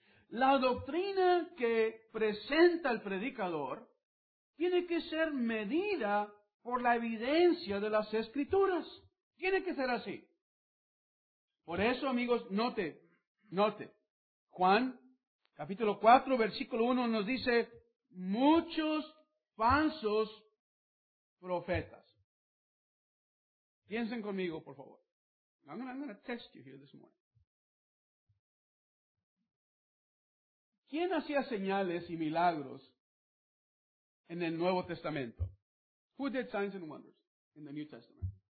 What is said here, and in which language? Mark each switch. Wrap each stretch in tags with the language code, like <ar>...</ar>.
<es>La doctrina que presenta el predicador tiene que ser medida por la evidencia de las Escrituras. Tiene que ser así. Por eso, amigos, note. Juan, capítulo 4, versículo 1, nos dice, muchos falsos profetas. Piensen conmigo, por favor.</es> <en>I'm going to test you here this morning.</en> <es>¿Quién hacía señales y milagros en el Nuevo Testamento?</es> <en>Who did signs and wonders in the New Testament?</en>